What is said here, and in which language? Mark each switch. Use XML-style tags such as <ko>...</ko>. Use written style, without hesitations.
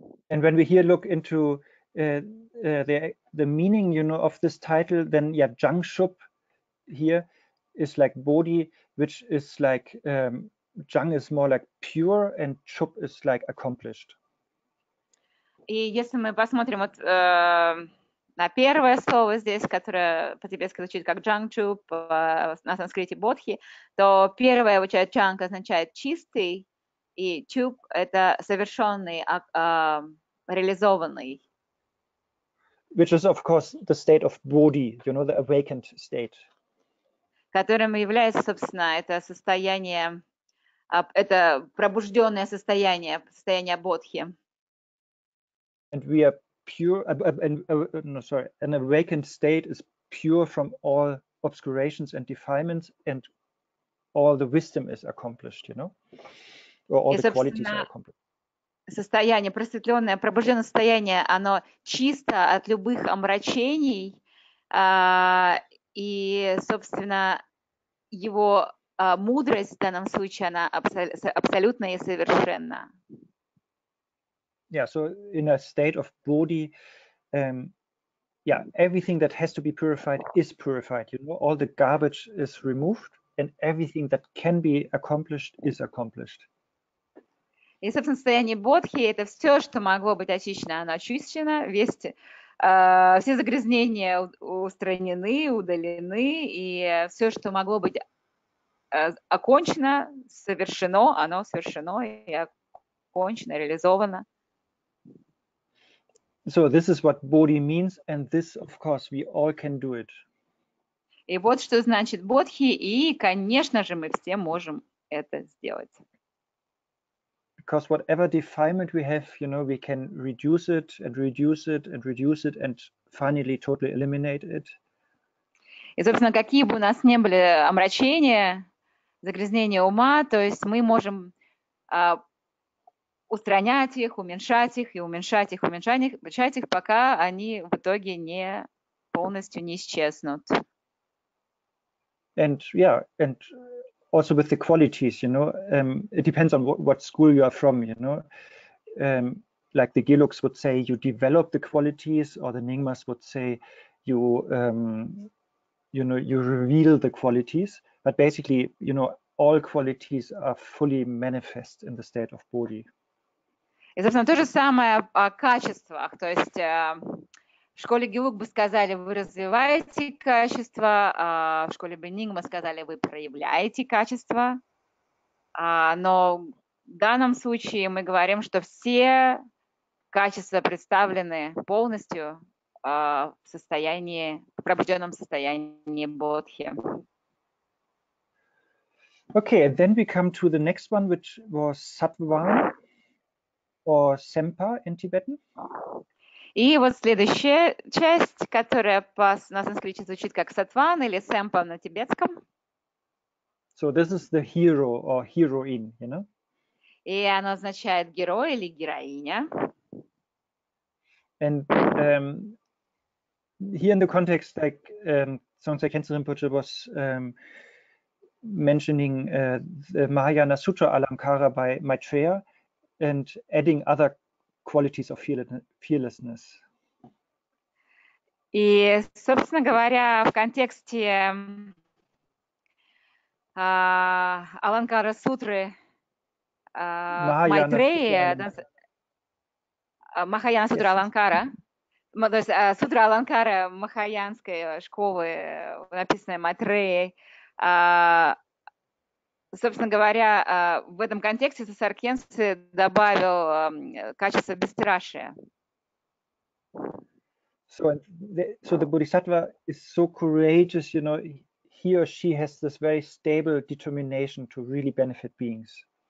<en>And when we here look into the meaning, you know, of this title, then yeah, jungshup here is like bodhi, which is like jung is more like pure, and shup is like accomplished.</en> <ru>И если мы посмотрим вот на первое слово здесь, которое по тебе звучит как джангчуп на санскрите бодхи, то первое означает джанг, означает чистый, и чуп – это совершенный, реализованный.</ru> <en>Which is, of course, the state of bodhi, you know, the awakened state.</en> <ru>Которым является, собственно, это состояние, это пробужденное состояние, состояние бодхи.</ru> <en>And we are pure and no sorry an awakened state is pure from all obscurations and defilements and all the wisdom is accomplished, you know, or all</en> <ru>И,</ru> <en>the qualities</en> <ru>собственно,</ru> <en>are accomplished.</en> <ru>состояние просветленное, пробужденное состояние, оно чисто от любых омрачений, и, собственно, его мудрость в данном случае, она абсолютно и совершенна.</ru> <en>Yeah, so in a state of bodhi, everything that has to be purified is purified. You know, all the garbage is removed, and everything that can be accomplished is accomplished.</en> <ru>И, собственно, состояние бодхи – это все, что могло быть очищено, оно очищено, все загрязнения устранены, удалены, и все, что могло быть окончено, совершено, оно совершено и окончено, реализовано.</ru> <en>So this is what bodhi means, and this, of course, we all can do it.</en> <ru>И вот что значит бодхи, и, конечно же, мы все можем это сделать.</ru> <en>Because whatever defilement we have, you know, we can reduce it and reduce it and reduce it and finally totally eliminate it.</en> <ru>И, собственно, какие бы у нас ни были омрачения, загрязнения ума, то есть мы можем устранять их, уменьшать их, и уменьшать их, уменьшать их, пока они в итоге не полностью не исчезнут.</ru> <en>And yeah, and also with the qualities, you know, it depends on what school you are from, you know. Like the Gelugs would say, you develop the qualities, or the Nyingmas would say, you reveal the qualities. But basically, you know, all qualities are fully manifest in the state of bodhi.</en> <ru>И, собственно, то же самое о качествах. То есть в школе Гелуг бы сказали, вы развиваете качество, в школе Бенигма сказали, вы проявляете качество. Но в данном случае мы говорим, что все качества представлены полностью в состоянии, в пробужденном состоянии бодхи.</ru> <en>Okay, and then we come to the next one, which was Sattva. Or Sempa in Tibetan.</en> <ru>И вот следующая часть, которая на санскрите звучит как сатван или сэмпа на тибетском.</ru> <en>So this is the hero or heroine, you know?</en> <ru>И она означает герой или героиня.</ru> <en>And here in the context, like Sonsai Kenshin Rinpoche was mentioning the Mahayana Sutra Alamkara by Maitreya. And adding other qualities of fearlessness.</en> <ru>И, собственно говоря, в контексте Аланкара Сутры Майтрея, Махаяна Сутра Аланкара, то есть Сутра Аланкара Махаянской школы, написанная Майтреей, собственно говоря, в этом контексте Сонсай Кенсе добавил качество бесстрашия.</ru> <en>So the Bodhisattva is so courageous, you know, he or she has this very stable determination to really benefit beings.</en>